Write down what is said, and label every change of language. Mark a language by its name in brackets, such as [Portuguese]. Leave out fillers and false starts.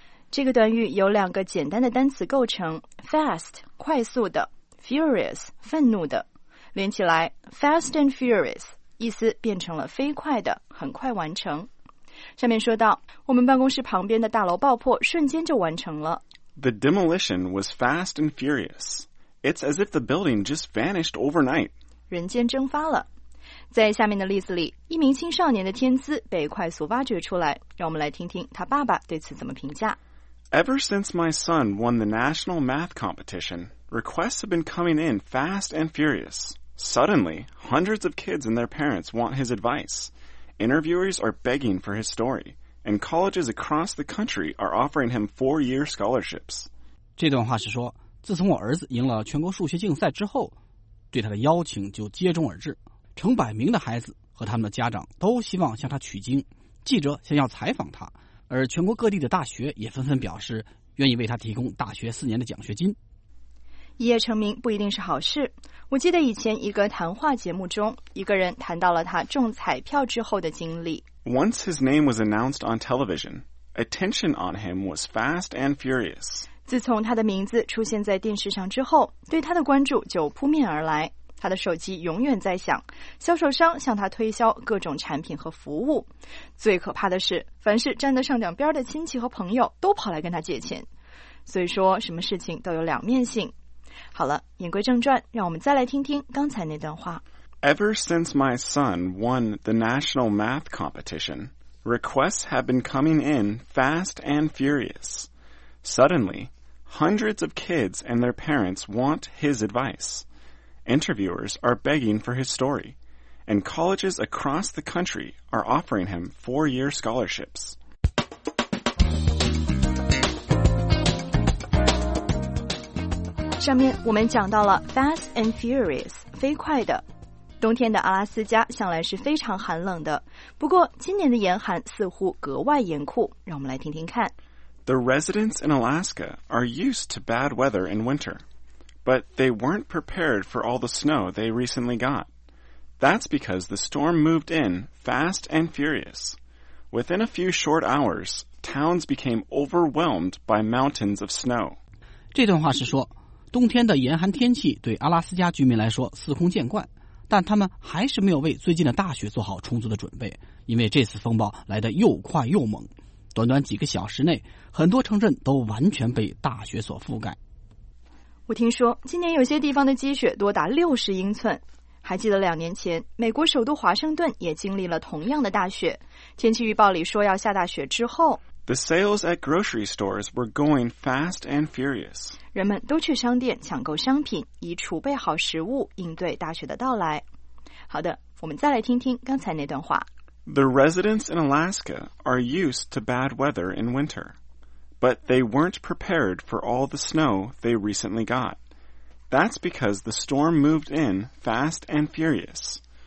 [Chinese] 这个短语由两个简单的单词构成 Fast, 快速的 Furious, 愤怒的连起来 Fast and furious 意思变成了飞快的很快完成。上面说到，我们办公室旁边的大楼爆破瞬间就完成了。 [English] The demolition was fast and furious. It's as if the building just vanished overnight. [Chinese] 人间蒸发了。在下面的例子里，一名青少年的天资被快速挖掘出来，让我们来听听他爸爸对此怎么评价。 [English] Ever since my son won the national math competition, requests have been coming in fast and furious. Suddenly, hundreds of kids and their parents want his advice. Interviewers are begging for his story, and colleges across the country are offering him 4-year scholarships. [Chinese] 这段话是说，自从我儿子赢了全国数学竞赛之后，对他的邀请就接踵而至。成百名的孩子和他们的家长都希望向他取经，记者想要采访他，而全国各地的大学也纷纷表示愿意为他提供大学4年的奖学金。一夜成名不一定是好事。我记得以前一个谈话节目中，一个人谈到了他中彩票之后的经历。 [English] Once his name was announced on television, attention on him was fast and furious. [Chinese] 自从他的名字出现在电视上之后，对他的关注就扑面而来。他的手机永远在响，销售商向他推销各种产品和服务。最可怕的是，凡是沾得上点边的亲戚和朋友都跑来跟他借钱。所以说，什么事情都有两面性。好了，言归正传，让我们再来听听刚才那段话。 [English] Ever since my son won the national math competition, requests have been coming in fast and furious. Suddenly, hundreds of kids and their parents want his advice. Interviewers are begging for his story, and colleges across the country are offering him 4-year scholarships. [Chinese] 上面我们讲到了 fast and furious, 飞快的。冬天的阿拉斯加向来是非常寒冷的，不过今年的严寒似乎格外严酷，让我们来听听看。 [English] The residents in Alaska are used to bad weather in winter, but they weren't prepared for all the snow they recently got. That's because the storm moved in fast and furious. Within a few short hours, towns became overwhelmed by mountains of snow. [Chinese] 这段话是说，冬天的严寒天气对阿拉斯加居民来说司空见惯，但他们还是没有为最近的大雪做好充足的准备，因为这次风暴来得又快又猛。短短几个小时内，很多城镇都完全被大雪所覆盖。我听说今年有些地方的积雪多达60英寸。还记得2年前，美国首都华盛顿也经历了同样的大雪。天气预报里说要下大雪之后 [English] ，The sales at grocery stores were going fast and furious。 [Chinese] 人们都去商店抢购商品，以储备好食物应对大雪的到来。好的，我们再来听听刚才那段话。 [English] The residents in Alaska are used to bad weather in winter, but they weren't prepared for all the snow they recently got. That's because the storm moved in fast and furious.